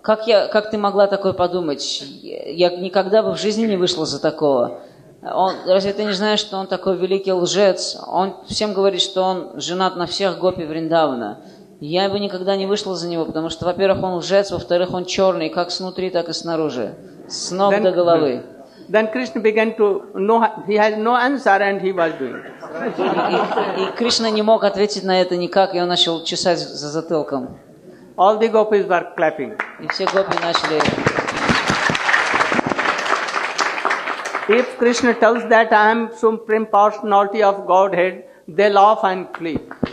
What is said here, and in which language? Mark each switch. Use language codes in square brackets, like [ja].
[ru] Как ты могла такое подумать? Я никогда бы в жизни не вышла за такого. Разве ты не знаешь, что он такой великий лжец? Он всем говорит, что он женат на всех гопи Вриндавана. Я бы никогда не вышла за него, потому что, во-первых, он лжец, во-вторых, он черный, как снутри, так и снаружи, с ног до головы." [en] Then Krishna began to know, he had no answer and he was doing. [ru] И Кришна не мог ответить на это никак, и он начал чесать за затылком. [en] All the gopis were clapping. [ru] И все гопи начали. [en] If Krishna tells that I am supreme personality of Godhead, they laugh and clap.